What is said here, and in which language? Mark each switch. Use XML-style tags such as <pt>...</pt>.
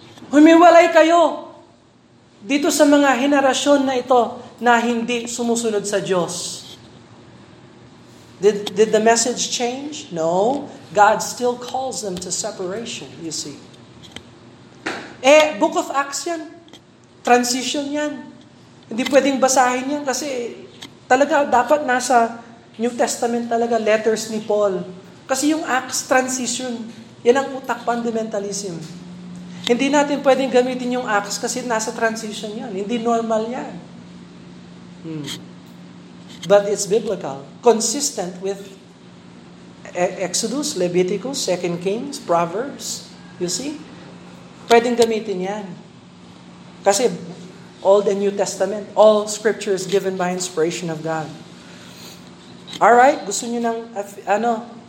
<tl>Humiwalay kayo dito sa mga henerasyon na ito na hindi sumusunod sa Diyos.</tl> <en>Did the message change? No. God still calls them to separation, you see. Eh, Book of Acts yan.</en> <tl>transition yan. Hindi pwedeng basahin yan kasi talaga dapat nasa New Testament talaga, letters ni Paul. Kasi yung Acts transition, yan ang utak fundamentalism. Hindi natin pwedeng gamitin yung Acts kasi nasa transition yan. Hindi normal yan.</tl> <en>But it's biblical, consistent with Exodus, Leviticus, 2 Kings, Proverbs. You see?</en> <tl>Pwedeng gamitin yan. Kasi</tl> <en>Old and New Testament, all scripture is given by inspiration of God. All right,</en> <tl>gusto niyo ng ano?</tl>